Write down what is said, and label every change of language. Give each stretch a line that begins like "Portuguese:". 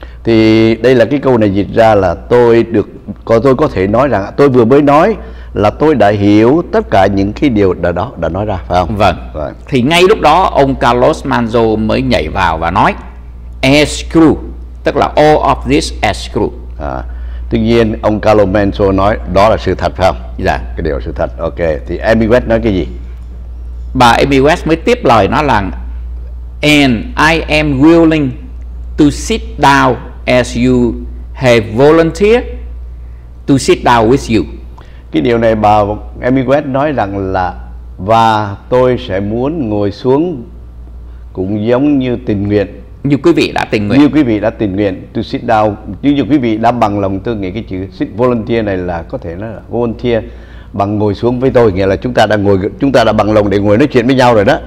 Vietnamese: Thì đây là cái câu này dịch ra là tôi có thể nói rằng tôi vừa mới nói là tôi đã hiểu tất cả những cái điều đã nói ra, phải không? Vâng. Vâng. Thì ngay lúc đó ông Carlos Manzo mới nhảy vào và nói
English: as true,
Vietnamese: tức là
English: all of this as true.
Vietnamese: À, tuy nhiên ông Carlos Manzo nói đó là sự thật, phải không? Dạ. Cái điều sự thật. Ok. Thì Amy West nói cái gì? Bà Amy West mới tiếp lời nói rằng
English: and I am willing to sit down as you have volunteered to sit down with you.
Vietnamese: Cái điều này bà Amy West nói rằng là và tôi sẽ muốn ngồi xuống cũng giống như tình nguyện. Như quý vị đã tình nguyện. Như quý vị đã tình nguyện
English: to sit down.
Vietnamese: Như quý vị đã bằng lòng, tôi nghĩ cái chữ sit volunteer này là có thể nói là volunteer bằng ngồi xuống với tôi, nghĩa là chúng ta đã bằng lòng để ngồi nói chuyện với nhau rồi đó.